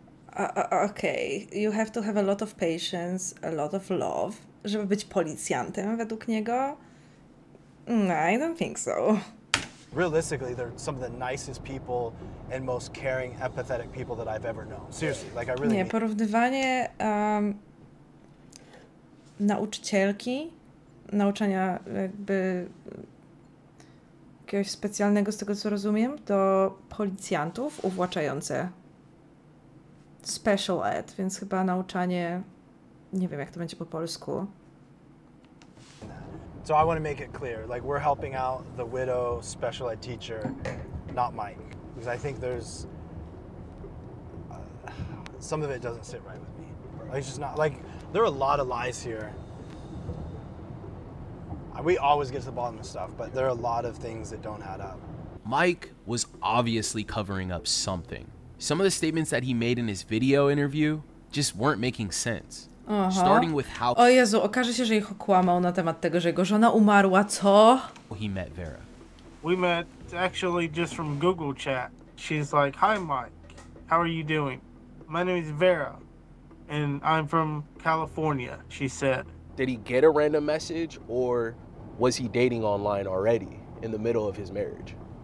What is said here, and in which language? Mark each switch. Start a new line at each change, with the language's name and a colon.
English: Okay, you have to have a lot of patience, a lot of love,
Polish: żeby być policjantem według niego?
English: No, I don't think so. Realistically, they're some of the nicest people and most caring, empathetic people that I've ever known. Seriously, like I really
Polish: Nie, porównywanie nauczycielki, nauczania jakby jakiegoś specjalnego z tego co rozumiem, do policjantów uwłaczające. Special ed, więc chyba nauczanie, nie wiem jak to będzie po polsku.
English: So I want to make it clear, like we're helping out the widow special ed teacher, not Mike. Because I think there's, some of it doesn't sit right with me. Like, it's just not, like, there are a lot of lies here. We always get to the bottom of stuff, but there are a lot of things that don't add up. Mike was obviously covering up something. Some of the statements that he made in his video interview just weren't making sense. Starting with how
Polish: O Jezu, okaże się, że ich okłamał na temat tego, że jego żona umarła, co?
English: He met Vera. We met actually just from Google chat. She's like, hi Mike, how are you doing? My name is Vera, and I'm from California, she said. Did he get a random message, or was he dating online already in the middle of his marriage?